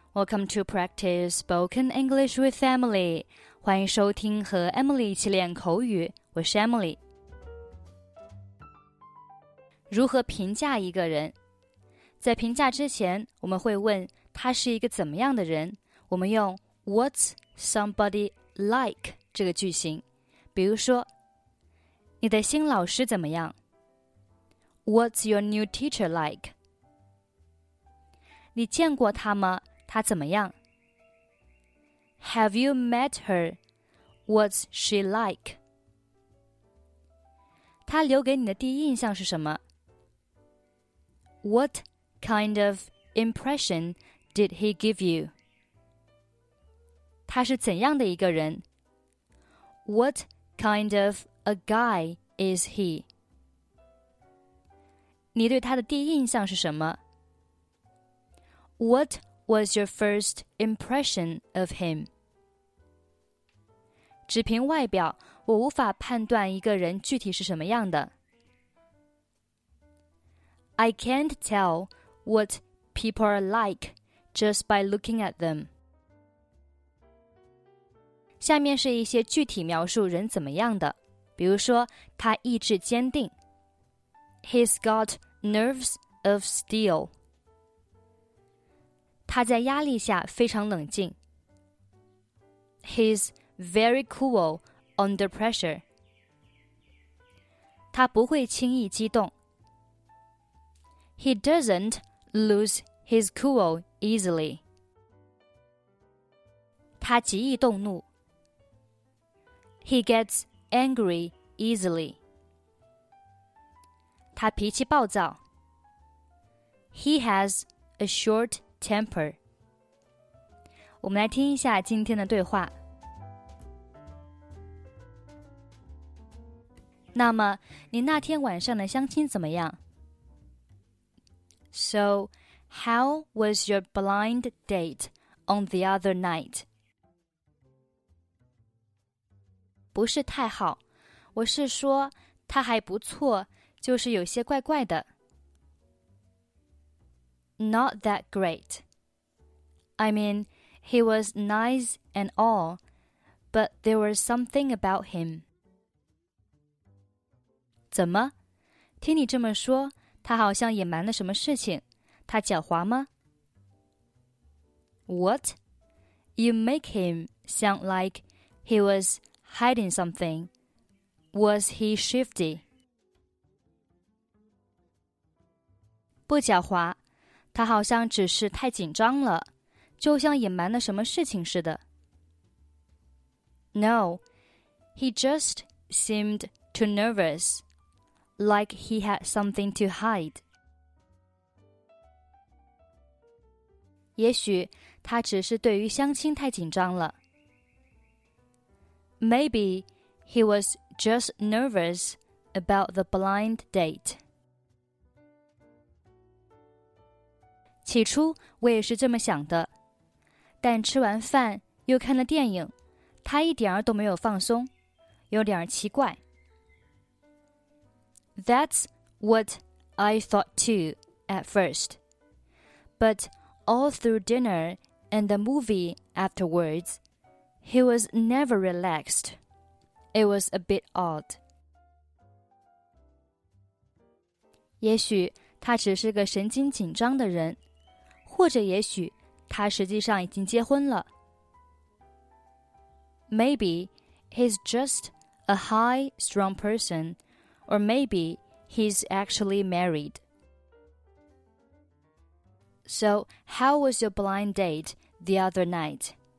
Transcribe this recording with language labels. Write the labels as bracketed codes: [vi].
[en] Welcome to Practice Spoken English with Emily. [zh] 欢迎收听和 Emily 一起练口语。我是 Emily。如何评价一个人？在评价之前，我们会问他是一个怎么样的人。我们用 [en] What's somebody like [zh] 这个句型。比如说，你的新老师怎么样？ [en] What's your new teacher like? [zh] 你见过她吗？她怎么样？ [en] Have you met her? What's she like? [zh] 她留给你的第一印象是什么？ [en] What kind of impression did he give you? [zh] 她是怎样的一个人？ [en] What kind of a guy is he? [zh] 你对她的第一印象是什么？ [en] What was your first impression of him? [zh] 只凭外表，我无法判断一个人具体是什么样的。 [en] I can't tell what people are like just by looking at them. [zh] 下面是一些具体描述人怎么样的，比如说他意志坚定。 [en] He's got nerves of steel. [zh] 他在压力下非常冷静。 [en] He's very cool under pressure. [zh] 他不会轻易激动。 [en] He doesn't lose his cool easily. [zh] 他极易动怒。 [en] He gets angry easily. [zh] 他脾气暴躁。 [en] He has a short temper. [zh] 我们来听一下今天的对话。那么，你那天晚上的相亲怎么样？ [en] So, how was your blind date on the other night? [zh] 不是太好，我是说他还不错，就是有些怪怪的。 [en] Not that great. I mean, he was nice and all, but there was something about him. [zh] 怎么？听你这么说，他好像隐瞒了什么事情。他狡猾吗？ [en] What? You make him sound like he was hiding something. Was he shifty? [zh] 不狡猾，他好像只是太紧张了。就像隐瞒了什么事情似的。 [en] No, he just seemed too nervous, like he had something to hide. [zh] 也许他只是对于相亲太紧张了。 [en] Maybe he was just nervous about the blind date. [zh] 起初我也是这么想的。但吃完饭又看了电影，他一点儿都没有放松，有点奇怪。 [en] That's what I thought too at first. But all through dinner and the movie afterwards, he was never relaxed. It was a bit odd. [zh] 也许他只是个神经紧张的人，或者也许他实际上已经结婚了。 [en] Maybe he's just a high, strong person, or maybe he's actually married. So, how was your blind date the other night?